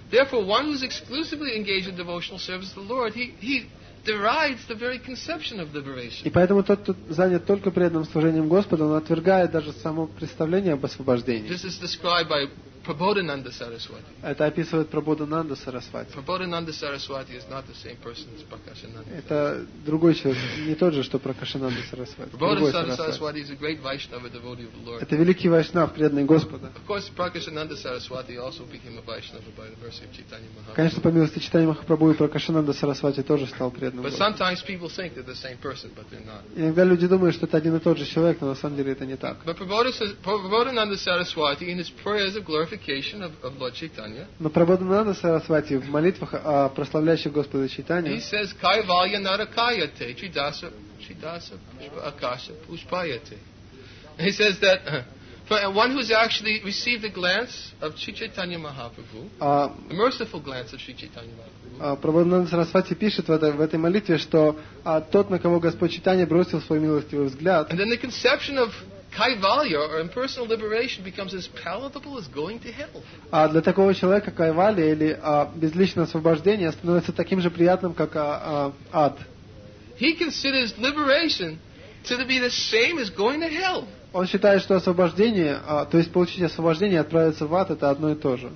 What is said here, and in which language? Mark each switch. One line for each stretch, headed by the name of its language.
English: Therefore, one who is exclusively engaged in devotional service of the Lord, he derides the very conception of liberation.
Russian: И поэтому тот, кто занят только преданным служением Господу, он отвергает даже само представление об освобождении.
English: This is described by Prabodhananda Saraswati.
Russian: Это описывает Прабодхананда Сарасвати.
English: Prabodhananda Saraswati is not the same person as Prakashananda.
Russian: Это другой человек, не тот же, что Прокашананда Сарасвати.
English: Prabodhananda Saraswati is a great Vaishnava devotee of the Lord.
Russian: Это великий вайшнав, преданный Господа.
English: Of course, Prakashananda Saraswati also became a Vaishnava by the mercy of Chaitanya Mahaprabhu.
Russian: Конечно, по милости Чайтаньи Махапрабху и Прокашананда Сарасвати тоже стал преданным.
English: But sometimes people think they're the same person, but they're not.
Russian: Иногда люди думают, что это один и тот же человек, но на самом деле это не так.
English: But Prabodhananda Saraswati, in his prayers of glory, of Lord Chaitanya.
Russian: Но Прабодхананда Сарасвати в молитвах о прославляющих Господа Чайтанья.
English: He says,
Sanskrit: "Kaivalya narakayate, chidasa, chidasa, akasha, pushpayate."
English: He says that But one who's actually received a glance of Sri Chaitanya Mahaprabhu, a merciful glance of Sri Chaitanya Mahaprabhu.
Russian: Prabhupada Sarasvati пишет в этой молитве, что тот, на кого Господь Чайтанья бросил свой милостивый взгляд.
English: And then the conception of Kaivalya or impersonal liberation becomes as palatable as going to hell.
Russian: Для такого человека Кайвалья или безличное освобождение становится таким же приятным, как ад.
English: He considers liberation to be the same as going to hell.
Russian: Он считает, что освобождение, то есть получить освобождение и отправиться в ад, это одно и то же.